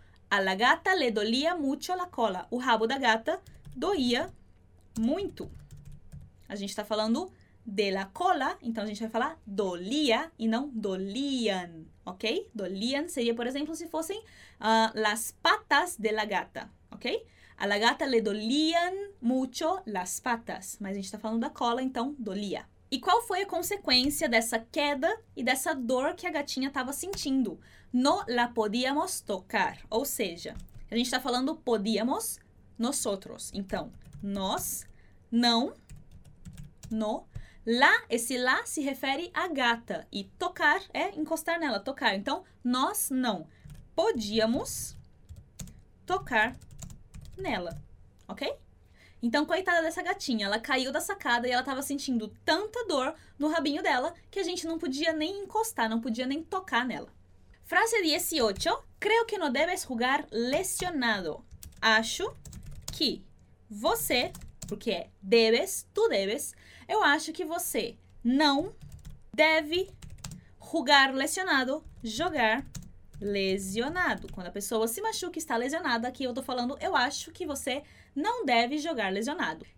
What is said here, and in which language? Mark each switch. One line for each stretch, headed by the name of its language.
Spanish: A la gata le dolía mucho la cola.
Portuguese: O rabo da gata doía muito. A gente está falando de la cola, então a gente vai falar dolía e não dolían, ok? Dolían seria, por exemplo, se fossem las patas de la gata, ok?
Spanish: A la gata le dolían mucho las patas.
Portuguese: Mas a gente está falando da cola, então dolía. E qual foi a consequência dessa queda e dessa dor que a gatinha estava sentindo?
Spanish: No la podíamos tocar. Ou seja, a gente está falando podíamos, nosotros.
Portuguese: Então, nós, não, no. La, esse la se refere à gata. E tocar é encostar nela, tocar. Então, nós, não, podíamos tocar nela, ok? Então, coitada dessa gatinha, ela caiu da sacada e ela estava sentindo tanta dor no rabinho dela que a gente não podia nem encostar, não podia nem tocar nela. Frase 18.
Spanish: Creo que no debes jugar lesionado.
Portuguese: Acho que você, porque é debes, tu debes, eu acho que você não deve jugar lesionado, jogar lesionado. Quando a pessoa se machuca e está lesionada, aqui eu estou falando eu acho que você não deve jogar lesionado.